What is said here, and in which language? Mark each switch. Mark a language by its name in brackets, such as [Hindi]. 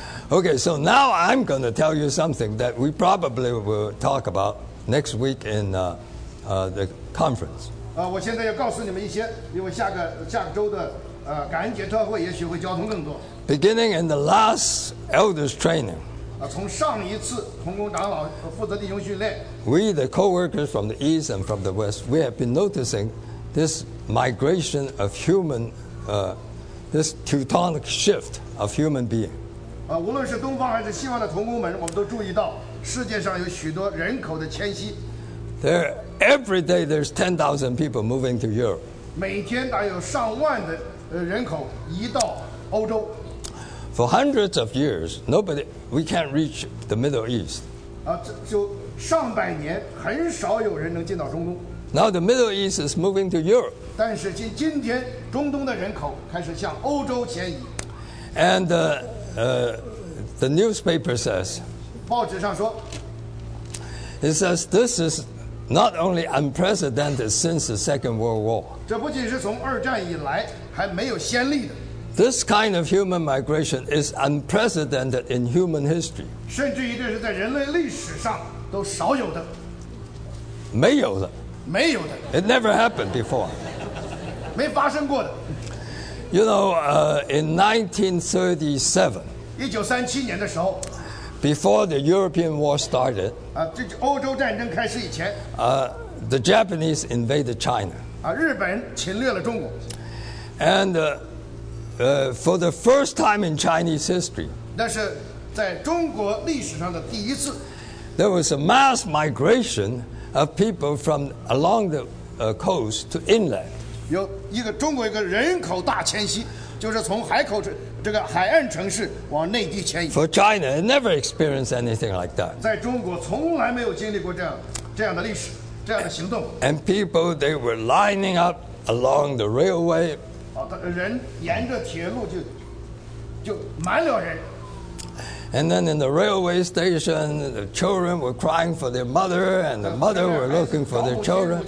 [English] Okay, so now I'm going to tell you something that we probably will talk about next week in the conference. [Chinese] 我现在要告诉你们一些，因为下个周的感恩节特会也许会交通更多。 [English] Beginning in the last elders training. [Chinese] 从上一次同工长老和负责弟兄训练。 [English] We the co-workers from the east and from the west, we have been noticing this migration of human, this Teutonic shift of human being. [Chinese] 无论是东方还是西方的同工们，我们都注意到世界上有许多人口的迁徙。 [English] There, every day there's 10,000 people moving to Europe. [Chinese] 每天大有上万的人口移到欧洲。 [English] For hundreds of years, nobody, we can't reach the Middle East. [Chinese] 就上百年很少有人能进到中东。 [English] Now the Middle East is moving to Europe. [Chinese] 但是今天中东的人口开始向欧洲迁移。 [English] And the newspaper says, [Chinese] 报纸上说, [English] it says this is not only unprecedented since the Second World War. [Chinese] 这不仅是从二战以来还没有先例的。 [English] This kind of human migration is unprecedented in human history. [Chinese] 甚至于这是在人类历史上都少有的。没有的。没有的。 [English] It never happened before. [Chinese] 没发生过的。 [English] You know, in 1937, [Chinese] 1937年的时候, [English] before the European War started, [Chinese] 欧洲战争开始以前, [English] the Japanese invaded China. [Chinese] 日本侵略了中国。 [English] And for the first time in Chinese history, [Chinese] 那是在中国历史上的第一次, [English] there was a mass migration of people from along the coast to inland. [Chinese] 有一个中国一个人口大迁徙。就是从海口这个海岸城市往内地迁移。 [English] For China, it never experienced anything like that. [Chinese] 在中国从来没有经历过这样的历史，这样的行动。 [English] And people, they were lining up along the railway. [Chinese] 人沿着铁路就满了人。 [English] And then in the railway station, the children were crying for their mother, and the mother were looking for their children.